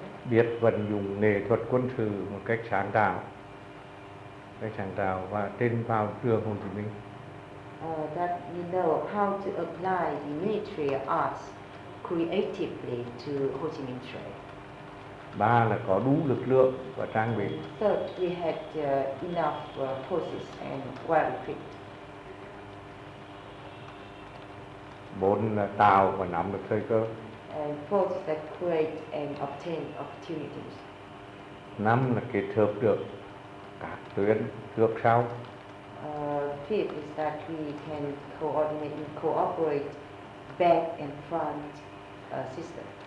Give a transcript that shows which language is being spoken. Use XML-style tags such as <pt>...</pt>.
<vi>biết vận dụng nghệ thuật quân sự một cách sáng tạo, cách sáng tạo và trên vào đường Hồ Chí Minh.</vi> <en>That we know how to apply the military arts creatively to Ho Chi Minh Trail.</en> <vi>Ba là có đủ lực lượng và trang bị.</vi> <en>Third, we had enough forces and well equipped.</en> <vi>Bốn là tạo và nắm được thời cơ.</vi> <en>And fourth, that create and obtain opportunities.</en> <vi>Năm là kết hợp được các tuyến trước sau.</vi> <en>Fifth is that we can coordinate and cooperate back and front system.</en>